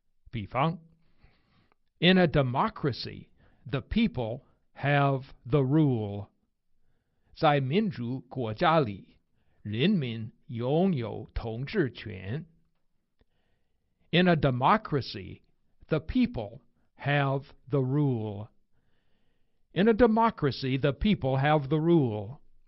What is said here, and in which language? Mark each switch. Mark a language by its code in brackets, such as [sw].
[zh] 比方， [en] In a democracy, the people have the rule. [zh] 在民主国家里，人民拥有统治权。 [en] In a democracy, the people have the rule. In a democracy, the people have the rule.